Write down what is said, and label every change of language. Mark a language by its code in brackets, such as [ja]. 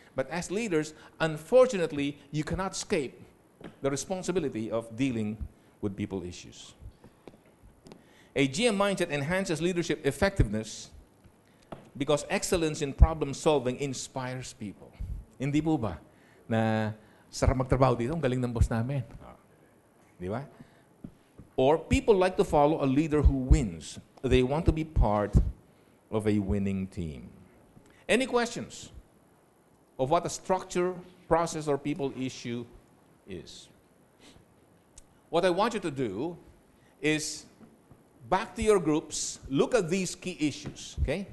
[en] But as leaders, unfortunately, you cannot escape the responsibility of dealing with people issues. A GM mindset enhances leadership effectiveness because excellence in problem solving inspires people. [tl] Hindi po ba na sarap magtrabaho dito, ang galing ng boss namin. Di ba? [en] Or people like to follow a leader who wins. They want to be part of a winning team. Any questions of what a structure, process, or people issue is? What I want you to do is back to your groups, look at these key issues, okay?